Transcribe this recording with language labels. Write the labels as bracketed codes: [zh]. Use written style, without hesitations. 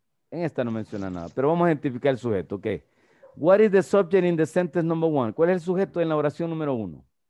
[es] En esta no menciona nada, pero vamos a identificar el sujeto, ok. [en] What is the subject in the sentence number one? [es] ¿Cuál es el sujeto en la oración número uno?